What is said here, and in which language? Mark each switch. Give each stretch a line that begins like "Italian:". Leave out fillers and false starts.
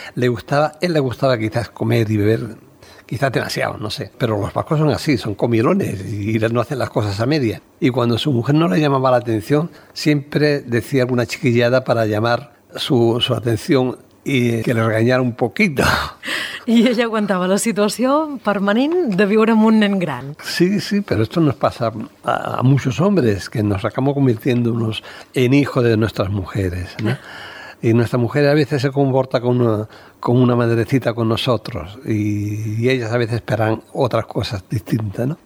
Spanish: Él le gustaba quizás comer y beber, quizás demasiado, no sé. Pero los vascos son así, son comilones y no hacen las cosas a media. Y cuando su mujer no le llamaba la atención, siempre decía alguna chiquillada para llamar su atención y que le regañara un poquito.
Catalan: I ella aguantava la situació permanent de viure amb un nen gran.
Spanish: Sí, sí, pero esto nos pasa a muchos hombres, que nos acabamos convirtiéndonos en hijos de nuestras mujeres, ¿no? Y nuestra mujer a veces se comporta como una madrecita con nosotros y ellas a veces esperan otras cosas distintas, ¿no?